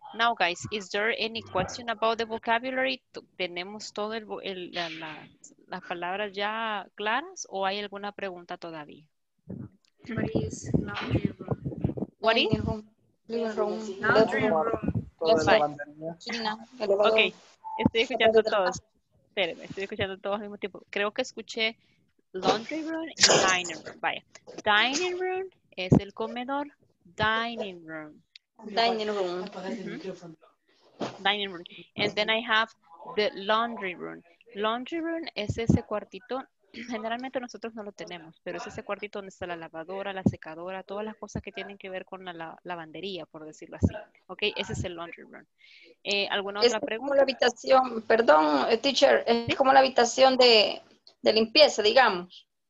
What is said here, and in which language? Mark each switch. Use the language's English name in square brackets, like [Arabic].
[English] Now, guys, is there any question about the vocabulary? [Spanish] ¿Tenemos todo las palabras ya claras o hay alguna pregunta todavía? [English] What is [Spanish] laundry room? Ok, estoy escuchando todos. Espérenme, estoy escuchando todos al mismo tiempo. Creo que escuché laundry room y dining room. Vaya, dining room es el comedor. Dining room. [English] Dining room. Dining room. And then I have the laundry room. [Spanish] Laundry room es ese cuartito. Generalmente nosotros no lo tenemos, pero es ese cuartito donde está la lavadora, la secadora, todas las cosas que tienen que ver con la lavandería, por decirlo así. ¿Ok? Ese es el laundry room. ¿Alguna otra pregunta? Es como la habitación, perdón, teacher, es como la habitación de limpieza, digamos.